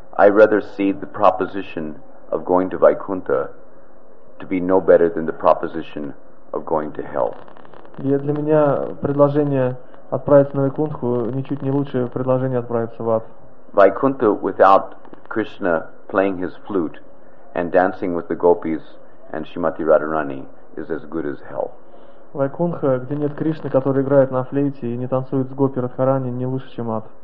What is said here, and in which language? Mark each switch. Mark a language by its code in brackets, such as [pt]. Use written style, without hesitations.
[en] I rather see the proposition of going to Vaikuntha to be no better than the proposition of going to hell. [ru] И для меня предложение отправиться на Вайкунху ничуть не лучше предложение отправиться в ад. [en] Vaikuntha without Krishna playing his flute and dancing with the gopis and Shrimati Radharani is as good as hell. [ru] Вайкунха, где нет Кришны, который играет на флейте и не танцует с Гопи Радхарани, не лучше, чем ад.